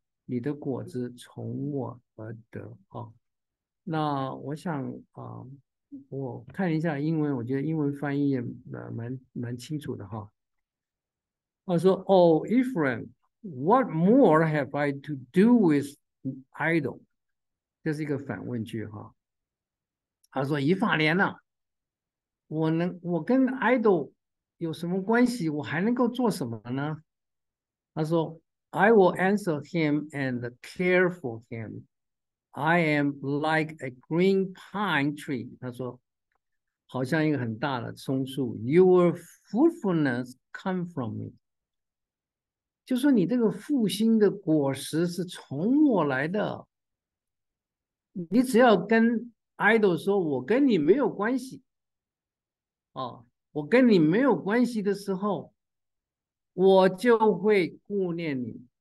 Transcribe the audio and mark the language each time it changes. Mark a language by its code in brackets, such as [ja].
[zh] 你的果子从我而得那我想我看一下英文，我觉得英文翻译也蛮清楚的他说： [en] “Oh Ephraim, what more have I to do with idol？” [zh] 这是一个反问句他说：“以法莲呐，我跟 idol 有什么关系？我还能够做什么呢？” 他说。 [en] I will answer him and care for him. I am like a green pine tree. [zh] 他说，好像一个很大的松树。 [en] Your fruitfulness come from me. [zh] 就说你这个复兴的果实是从我来的。你只要跟 idol 说，我跟你没有关系。我跟你没有关系的时候，我就会顾念你。